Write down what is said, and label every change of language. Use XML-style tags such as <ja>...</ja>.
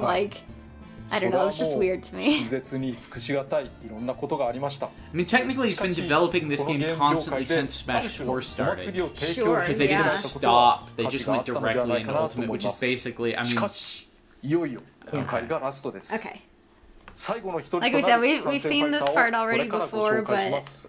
<en>Like, I don't know, it's just weird to me.</en> <ja>自然に尽くしがたいいろんなことがありました。</ja> <en>I mean, technically he's been developing this game constantly since Smash 4 started. Sure, yeah. Because they didn't stop, they just went directly into Ultimate, which is basically, I mean...</en> <ja>しかし、いよいよ今回がラストです。</ja> <en>Okay.</en> <ja>最後の一人となる参戦ファイターをこれからご紹介します。</ja>